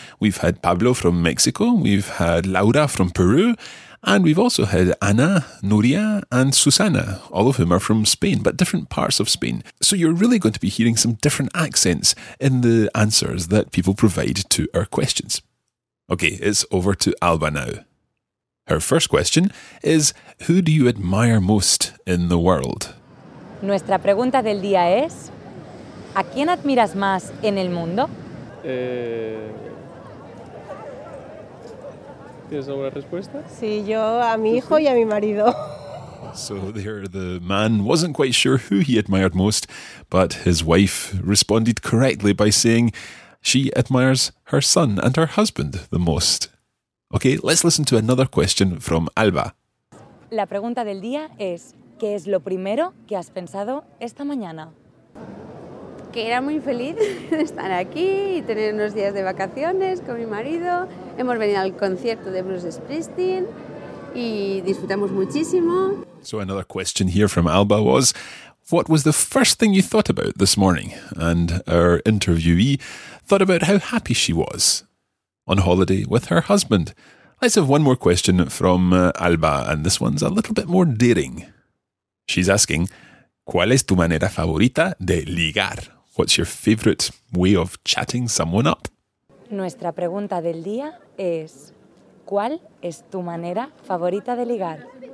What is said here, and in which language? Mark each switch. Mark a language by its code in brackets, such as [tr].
[en] We've had Pablo from Mexico, we've had Laura from Peru, and we've also had Ana, Nuria and Susana, all of whom are from Spain, but different parts of Spain. So you're really going to be hearing some different accents in the answers that people provide to our questions. Okay, it's over to Alba now. Her first question is, who do you admire most in the world? [es] Nuestra pregunta del día es, ¿a quién admiras más en el mundo? ¿Tienes alguna respuesta? Sí, yo a mi hijo y a mi marido. [en] So there the man wasn't quite sure who he admired most, but his wife responded correctly by saying she admires her son and her husband the most. Okay, let's listen to another question from Alba. [es] La pregunta del día es, ¿qué es lo primero que has pensado esta mañana? Que era muy feliz estar aquí y tener unos días de vacaciones con mi marido. Hemos venido al concierto de Bruce Springsteen y disfrutamos muchísimo. [en] So another question here from Alba was, what was the first thing you thought about this morning? And our interviewee thought about how happy she was on holiday with her husband. Let's have one more question from Alba, and this one's a little bit more daring. She's asking, [es] ¿cuál es tu manera favorita de ligar? [en] What's your favorite way of chatting someone up? [es] Nuestra pregunta del día es, ¿cuál es tu manera favorita de ligar?